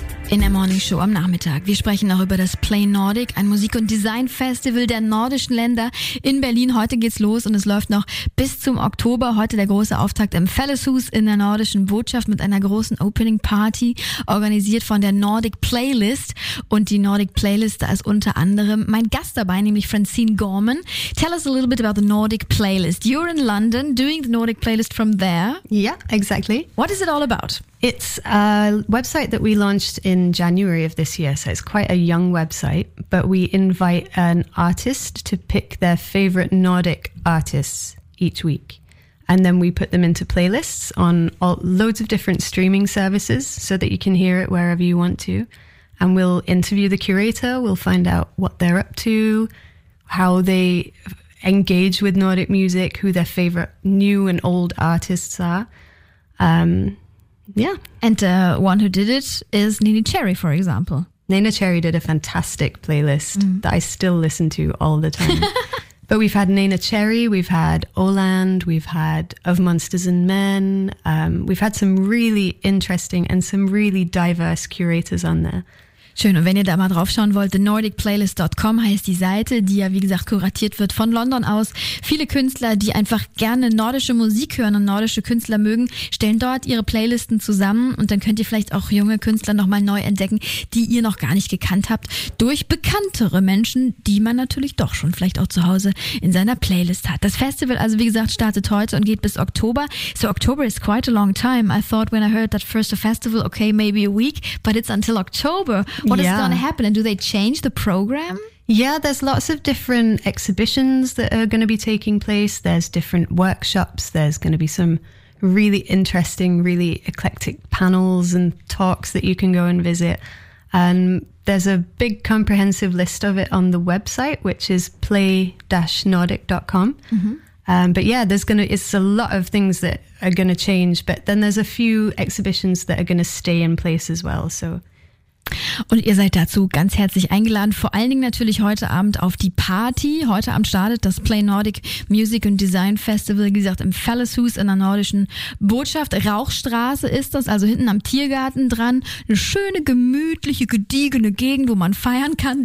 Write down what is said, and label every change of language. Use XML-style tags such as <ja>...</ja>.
<de>In der Morning Show am Nachmittag. Wir sprechen auch über das Play Nordic, ein Musik- und Design-Festival der nordischen Länder in Berlin. Heute geht's los und es läuft noch bis zum Oktober. Heute der große Auftakt im Felleshus in der nordischen Botschaft mit einer großen Opening Party, organisiert von der Nordic Playlist. Und die Nordic Playlist, da ist unter anderem mein Gast dabei, nämlich Francine Gorman.</de> <en>Tell us a little bit about the Nordic Playlist. You're in London doing the Nordic Playlist from there. Yeah, exactly. What is it all about? It's a website that we launched in January of this year, so it's quite a young website, but we invite an artist to pick their favorite Nordic artists each week. And then we put them into playlists on loads of different streaming services so that you can hear it wherever you want to. And we'll interview the curator, we'll find out what they're up to, how they engage with Nordic music, who their favorite new and old artists are. And one who did it is Nina Cherry, for example. Nina Cherry did a fantastic playlist that I still listen to all the time. But we've had Nina Cherry, we've had Oland, we've had Of Monsters and Men. We've had some really interesting and some really diverse curators on there.</en> <de>Schön, und wenn ihr da mal drauf schauen wollt, nordicplaylist.com heißt die Seite, die ja wie gesagt kuratiert wird von London aus. Viele Künstler, die einfach gerne nordische Musik hören und nordische Künstler mögen, stellen dort ihre Playlisten zusammen und dann könnt ihr vielleicht auch junge Künstler nochmal neu entdecken, die ihr noch gar nicht gekannt habt, durch bekanntere Menschen, die man natürlich doch schon vielleicht auch zu Hause in seiner Playlist hat. Das Festival also wie gesagt startet heute und geht bis Oktober.</de> <en>So October is quite a long time. I thought when I heard that first festival, okay, maybe a week, but it's until October. What is going to happen? And do they change the program? Yeah, there's lots of different exhibitions that are going to be taking place. There's different workshops. There's going to be some really interesting, really eclectic panels and talks that you can go and visit. And there's a big comprehensive list of it on the website, which is play-nordic.com. It's a lot of things that are going to change. But then there's a few exhibitions that are going to stay in place as well. So...</en> <de>Und ihr seid dazu ganz herzlich eingeladen, vor allen Dingen natürlich heute Abend auf die Party. Heute Abend startet das Play Nordic Music and Design Festival, wie gesagt, im Felleshus in der nordischen Botschaft. Rauchstraße ist das, also hinten am Tiergarten dran. Eine schöne, gemütliche, gediegene Gegend, wo man feiern kann.</de>